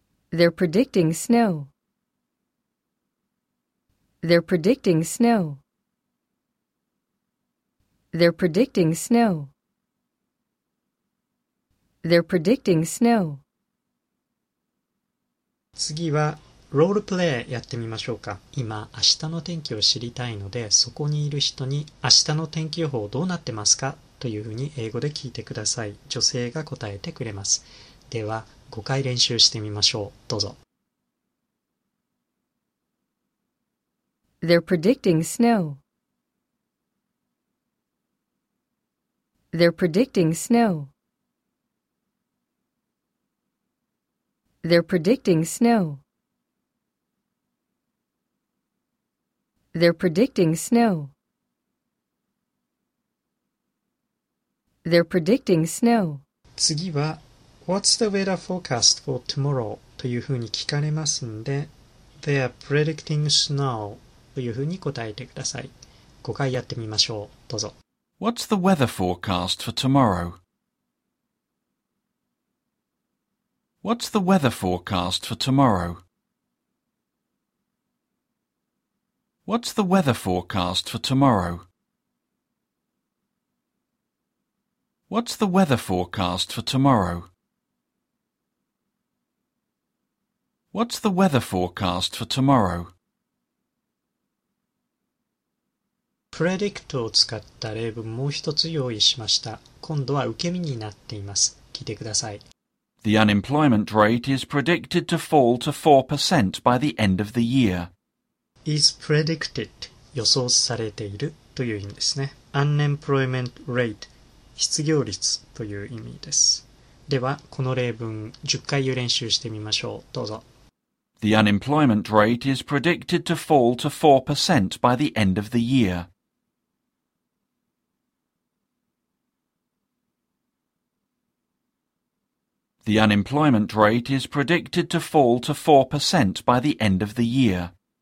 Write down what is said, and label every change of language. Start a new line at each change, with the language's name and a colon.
English: They're predicting snow. They're predicting snow. They're predicting snow. They're predicting snow.
Japanese: 次はロールプレイやってみましょうか。今明日の天気を知りたいので、そこにいる人に明日の天気予報どうなってますかというふうに英語で聞いてください。女性が答えてくれます。では5回練習してみましょう。どうぞ。
English: They're predicting snow. They're predicting snow. They're predicting snow. They're predicting snow. They're predicting snow.
Japanese: 次は、
English: What's the weather forecast for tomorrow?
Japanese: というふうに聞かれますんで、
English: They are predicting snow.
Japanese: というふうに答えてください。 5回やってみましょう。どうぞ。
English: What's the weather forecast for tomorrow? What's the weather forecast for tomorrow? What's the weather forecast for tomorrow? What's the weather forecast for tomorrow? What's the weather forecast for tomorrow?
Japanese: Predict を使った例文もう一つ用意しました。今度は受け身になっています。聞いてください。
English: The unemployment rate is predicted to fall to 4% by the end of the year.
Japanese: is predicted 予想されているという意味ですね。 unemployment rate 失業率という意味です。ではこの例文10回練習してみましょう。どうぞ。
English: The unemployment rate is predicted to fall to 4% by the end of the year. The unemployment rate is predicted to fall to 4% by the end of the year.